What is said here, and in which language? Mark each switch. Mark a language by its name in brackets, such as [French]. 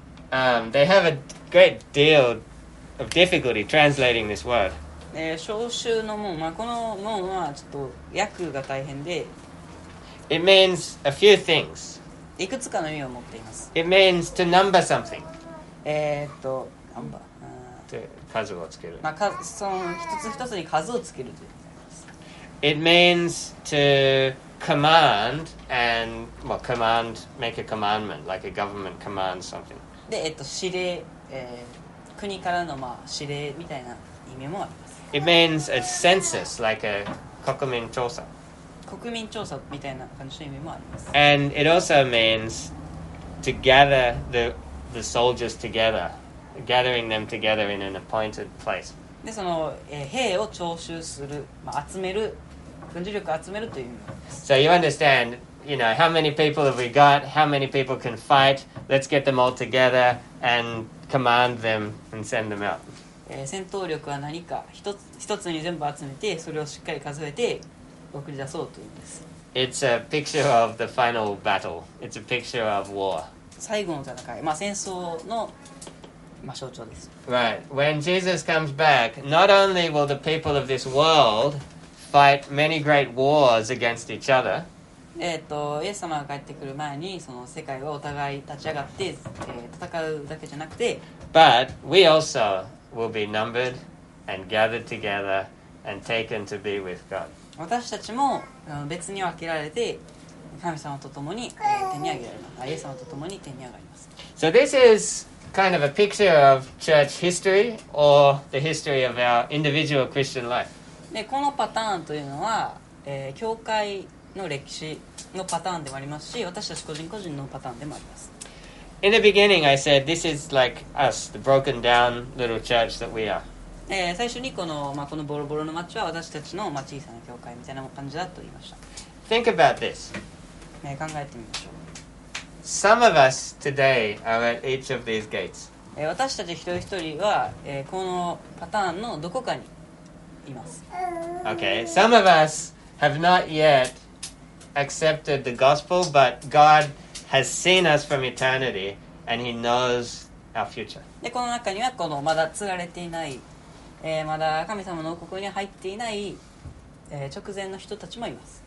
[English] They have a great deal of difficulty translating this word. [Japanese] Shoshu no Mon. まあこの門はちょっと訳が大変で。 [English] It means a few things. [Japanese] いくつかの意味を持っています。 [English] It means to number something. Number. [Japanese] 数をつける。まあ、その一つ一つに数をつけるというのがあります。 [English] It means to command and well, command, make a commandment, like a government commands something. [Japanese] で、指令、国からのまあ指令みたいな意味もあります。 [English] It means a census, like a 国民調査。 [Japanese] 国民調査みたいな感じの意味もあります。 [English] And it also means to gather the soldiers together. Gathering them together in an appointed place. [Japanese] でその、兵を徴収する、まあ、集める、軍事力を集めるという意味です。 [English] So you understand, you know, how many people have we got? How many people can fight? Let's get them all together and command them and send them out. [Japanese] 戦闘力は何か、一つに全部集めて、それをしっかり数えて送り出そうという意味です。 [English] It's a picture of the final battle. It's a picture of war. [Japanese] 最後の戦い、まあ戦争のまあ、象徴です。 [English] Right. When Jesus comes back, not only will the people of this world fight many great wars against each other. [Japanese] イエス様が帰ってくる前に、その世界はお互い立ち上がって、戦うだけじゃなくて、 [English] But we also will be numbered and gathered together and taken to be with God. [Japanese] 私たちも別に分けられて、神様と共に天に上げられます。イエス様と共に天に上がります。 [English] So this is... Kind of a picture of church history or the history of our individual Christian life. [Japanese] でこのパターンというのは、教会の歴史のパターンでもありますし、私たち個人個人のパターンでもあります。 [English] In the beginning, I said this is like us, the broken down little church that we are. [Japanese] 最初にこの、まあ、このボロボロの町は私たちの、まあ、小さな教会みたいな感じだと言いました。 [English] Think about this. [Japanese] 考えてみましょう。 [English] Some of us today are at each of these gates. [Japanese] 私たち一人一人は、このパターンのどこかにいます。 [English] Okay. Some of us have not yet accepted the gospel, but God has seen us from eternity and He knows our future. [Japanese] で、この中にはこのまだ釣られていない、まだ神様の王国に入っていない、直前の人たちもいます。